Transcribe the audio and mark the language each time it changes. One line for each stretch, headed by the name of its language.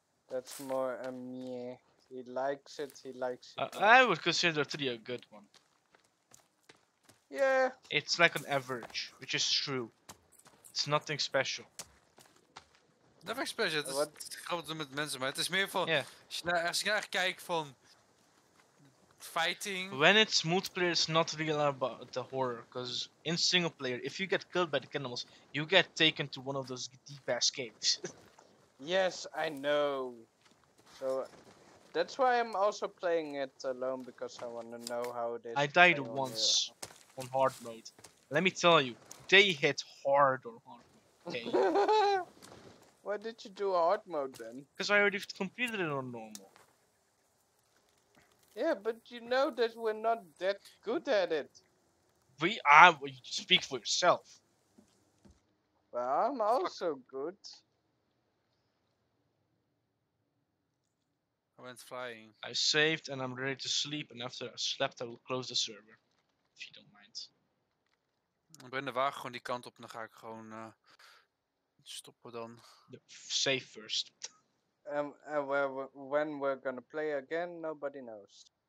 English: That's more a meh. He likes it, he likes it. I would consider 3 a good one. Yeah. It's like an average, which is true. It's nothing special. Nothing special, it's what?
Dutch: Grappig doen met mensen, maar het is meer van...
English: Yeah.
Dutch: Als je naar kijkt van... Fighting...
English: When it's multiplayer, it's not real about the horror. Because in single player, if you get killed by the cannibals, you get taken to one of those deep-ass caves. Yes, I know. So that's why I'm also playing it alone, because I want to know how it is. I died once on hard mode. Let me tell you, they hit hard on hard mode. Okay. Why did you do hard mode then? Because I already completed it on normal. Yeah, but you know that we're not that good at it. We are. Well, you speak for yourself. Well, I'm also good. Went flying. I saved and I'm ready to sleep, and after I slept I will close the server. If you don't mind.
Dutch: Ik ben de wagen gewoon die kant op, dan ga ik gewoon stoppen dan.
English: Save first. When we're gonna play again, nobody knows.